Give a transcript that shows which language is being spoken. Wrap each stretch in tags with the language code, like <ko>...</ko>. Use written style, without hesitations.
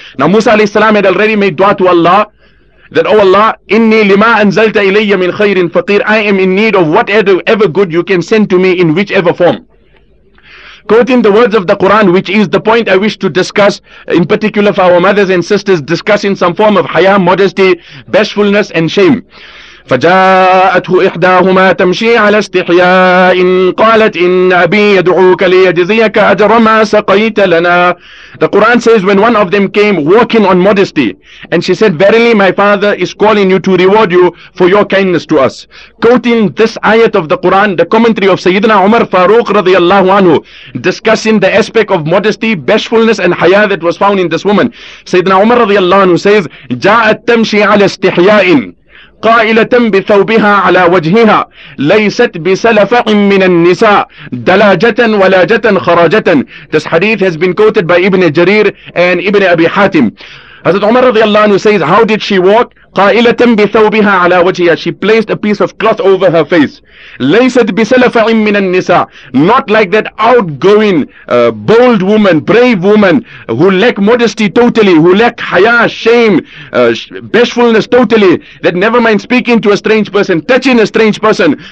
<en>Now Musa alayhi salam had already made dua to Allah that, "Oh Allah,</en> <ar>inni lima anzalta ilayya min khayrin faqir,</ar> <en>I am in need of whatever good you can send to me in whichever form." Quoting the words of the Quran, which is the point I wish to discuss, in particular for our mothers and sisters, discussing some form of haya, modesty, bashfulness and shame.</en> <ar>فجاءته إحداهما تمشي على استحياء قالت إن أبي يدعوك ليجزيك أجر ما سقيت لنا.</ar> <en>The Quran says, when one of them came walking on modesty, and she said, "Verily my father is calling you to reward you for your kindness to us." Quoting this ayat of the Quran, the commentary of Sayyidina Umar Farooq radiallahu anhu, discussing the aspect of modesty, bashfulness and haya that was found in this woman.</en> <ar>Sayyidina Umar radiallahu anhu says, جاءت تمشي على استحياء قائلة بثوبها على وجهها ليست بسلفع من النساء دلاجة ولاجة خراجة.</ar> <en>This hadith has been quoted by Ibn Jarir and Ibn Abi Hatim. Hazrat Umar radiallahu anhu says, how did she walk?</en> <ar>قائلة بثوبها على وجهها,</ar> <en>she placed a piece of cloth over her face.</en> <ar>ليست بسلفع من النساء,</ar> <en>not like that outgoing bold woman, brave woman who lack modesty totally, who lack haya, shame, bashfulness totally, that never mind speaking to a strange person, touching a strange person.</en>